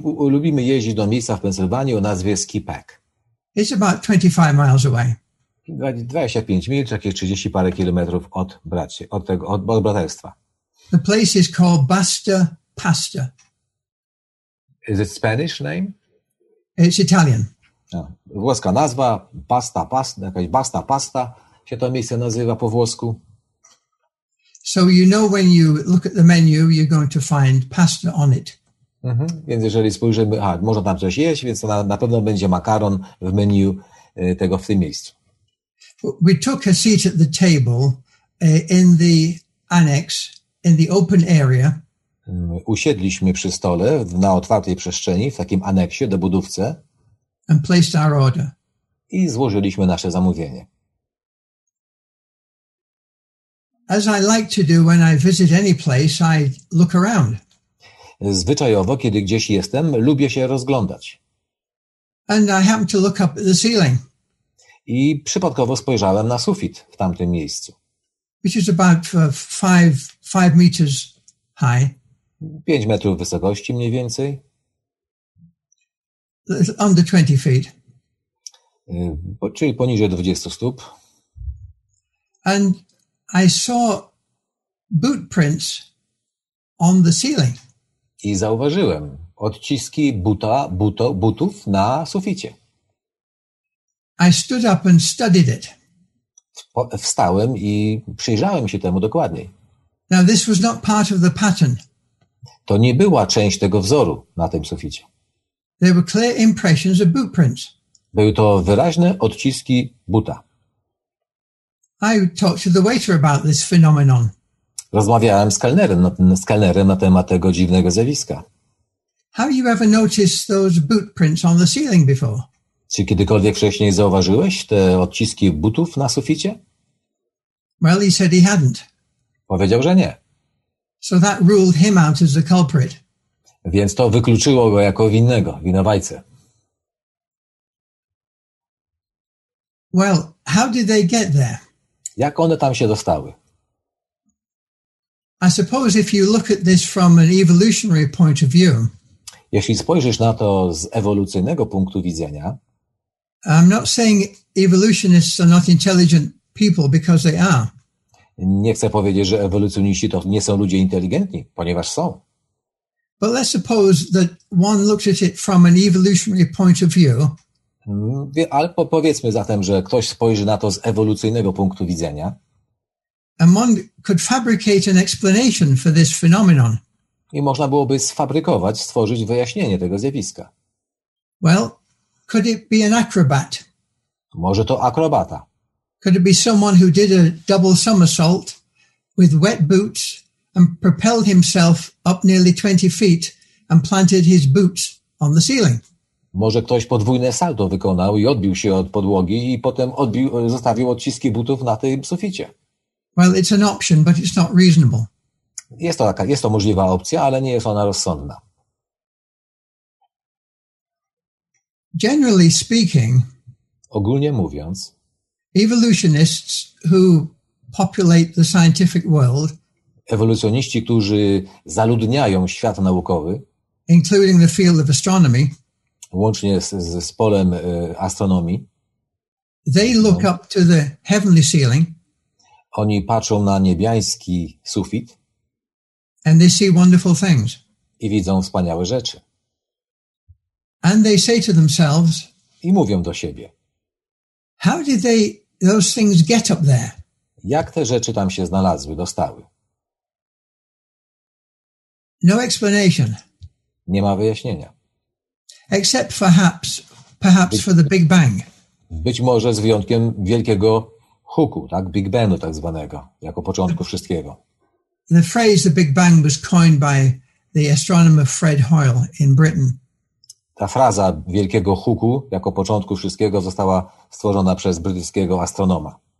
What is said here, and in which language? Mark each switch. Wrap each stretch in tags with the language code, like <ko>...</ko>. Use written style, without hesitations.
<pl>Lubimy jeździć do miejsca w Pensylwanii o nazwie Skipack.</pl> <en>It's about 25 miles away.</en> <pl>25 mil, jakieś 30 parę kilometrów od braterstwa.</pl> <en>The place is called Basta Pasta. Is it Spanish name? It's Italian.</en> <pl>Włoska nazwa, pasta, pasta, jakaś basta, pasta się to miejsce nazywa po włosku.</pl> <en>So you know when you look at the menu, you're going to find pasta on it. Mm-hmm.</en> <pl>Więc jeżeli spojrzymy, można tam coś jeść, więc na pewno będzie makaron w menu tego w tym miejscu.</pl> <en>We took a seat at the table in the annex, in the open area.</en> <pl>Usiedliśmy przy stole na otwartej przestrzeni, w takim aneksie do budówce.</pl> <en>And placed our order.</en> <pl>I złożyliśmy nasze zamówienie.</pl> <en>As I like to do when I visit any place, I look around.</en> <pl>Zwyczajowo, kiedy gdzieś jestem, lubię się rozglądać.</pl> <en>And I happened to look up at the ceiling.</en> <pl>I przypadkowo spojrzałem na sufit w tamtym miejscu.</pl> <en>Which is about five meters high.</en> <pl>5 metrów wysokości mniej więcej.</pl> <en>Under 20 feet.</en> <pl>Czyli poniżej 20 stóp.</pl> <en>And I saw boot prints on the ceiling.</en> <pl>I zauważyłem odciski butów na suficie.</pl> <en>I stood up and studied it.</en> <pl>Wstałem i przyjrzałem się temu dokładniej.</pl> <en>Now this was not part of the pattern.</en> <pl>To nie była część tego wzoru na tym suficie.</pl> <en>There were clear impressions of boot prints.</en> <pl>Były to wyraźne odciski buta.</pl> <en>I talked to the waiter about this phenomenon.</en> <pl>Rozmawiałem z kelnerem na temat tego dziwnego zjawiska.</pl> <en>Have you ever noticed those boot prints on the ceiling before?</en> <pl>Czy kiedykolwiek wcześniej zauważyłeś te odciski butów na suficie?</pl> <en>Well, he said he hadn't.</en> <pl>Powiedział, że nie.</pl> <en>So that ruled him out as the culprit.</en> <pl>Więc to wykluczyło go jako winnego, winowajcę.</pl> <en>Well, how did they get there?</en> <pl>Jak one tam się dostały?</pl> <en>I suppose if you look at this from an evolutionary point of view.</en> <pl>Jeśli spojrzysz na to z ewolucyjnego punktu widzenia.</pl> <en>I'm not saying evolutionists are not intelligent people because they are.</en> <pl>Nie chcę powiedzieć, że ewolucjoniści to nie są ludzie inteligentni, ponieważ są.</pl> <en>But let's suppose that one looks at it from an evolutionary point of view.</en> <pl>Ale powiedzmy zatem, że ktoś spojrzy na to z ewolucyjnego punktu widzenia.</pl> <en>And one could fabricate an explanation for this phenomenon.</en> <pl>I można byłoby sfabrykować, stworzyć wyjaśnienie tego zjawiska.</pl> <en>Well, could it be an acrobat?</en> <pl>Może to akrobata.</pl> <en>Could it be someone who did a double somersault with wet boots and propelled himself up nearly 20 feet and planted his boots on the ceiling?</en> <pl>Może ktoś podwójne salto wykonał i odbił się od podłogi i potem zostawił odciski butów na tym suficie.</pl> <en>Well, it's an option, but it's not reasonable.</en> <pl>Jest to możliwa opcja, ale nie jest ona rozsądna.</pl> <en>Generally speaking,</en> <pl>ogólnie mówiąc,</pl> <en>evolutionists who populate the scientific world,</en> <pl>ewolucjoniści, którzy zaludniają świat naukowy,</pl> <en>including the field of astronomy,</en> <pl>łącznie z polem astronomii,</pl> <en>they look up to the heavenly ceiling,</en> <pl>oni patrzą na niebiański sufit,</pl> <en>and they see wonderful things,</en> <pl>i widzą wspaniałe rzeczy.</pl> <en>And they say to themselves,</en> <pl>i mówią do siebie,</pl> <en>how did they those things get up there?</en> <pl>Jak te rzeczy tam się znalazły, dostały?</pl> <en>No explanation.</en> <pl>Nie ma wyjaśnienia.</pl> <en>Except perhaps for the Big Bang.</en> <pl>Być może z wyjątkiem wielkiego huku, tak, Big Bangu tak zwanego, jako początku wszystkiego.</pl> <en>The phrase the Big Bang was coined by the astronomer Fred Hoyle in Britain.</en> <pl>Ta fraza wielkiego huku jako początku wszystkiego została stworzona przez brytyjskiego astronoma.</pl>